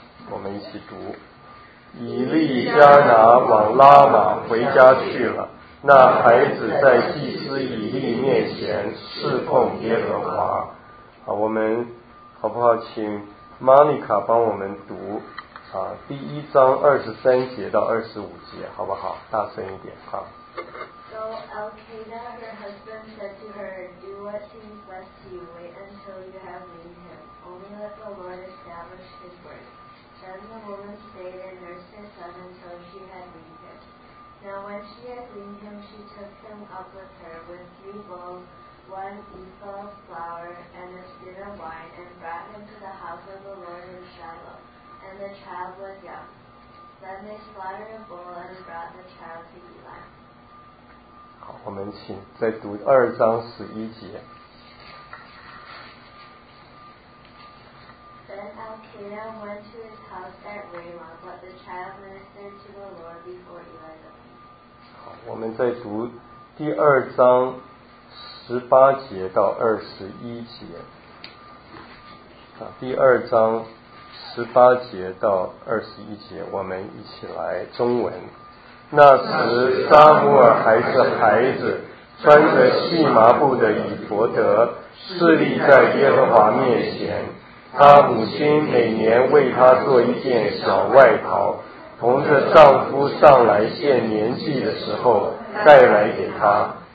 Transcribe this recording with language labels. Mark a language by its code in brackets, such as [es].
[zh] 我们一起读。以利加拿往拉玛回家去了，那孩子在祭司以利面前侍奉耶和华。好，我们好不好请 Monica 帮我们读第一章23节到25节，好不好？大声一点哈。 [en] So Elkanah, her husband, said to her, Do what seems best to you, wait until you have weaned him. Only let the Lord establish his word. Then the woman stayed and nursed her son until she had weaned him. Now when she had weaned him, she took him up with her with 3 bowls one ephah of flour and a skin of wine and brought him to the house of the Lord in Shiloh. And the child was young. Then they slaughtered a bull and brought the child to Eli. [zh] 好，我们请再读二章十一节。 [en] Then Elkanah went to his house at Ramah, but the child ministered to the Lord before Eli the king. [zh] 好，我们再读第二章十八节到二十一节。第二章十八节到二十一节，我们一起来中文。那时撒母耳还是孩子，穿着细麻布的以弗德侍立在耶和华面前，他母亲每年为他做一件小外袍，同着丈夫上来献年祭的时候带来给他。